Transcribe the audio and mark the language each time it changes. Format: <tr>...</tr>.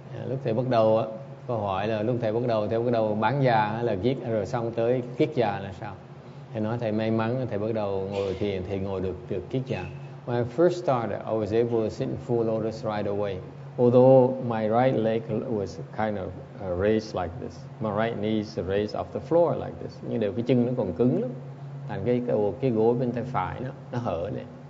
<vi>Lúc thầy bắt đầu, câu hỏi là lúc thầy bắt đầu bán già là giết, rồi xong tới kiết già là sao? Thầy nói thầy may mắn, thầy bắt đầu ngồi thiền, thầy ngồi được kiết già.</vi> <en>When I first started, I was able to sit in full lotus right away. Although my right leg was kind of raised like this. My right knee is raised off the floor like this.</en> <vi>Nhưng đều cái chân nó còn cứng lắm. Thành cái gối bên tay phải nó hở này.</vi>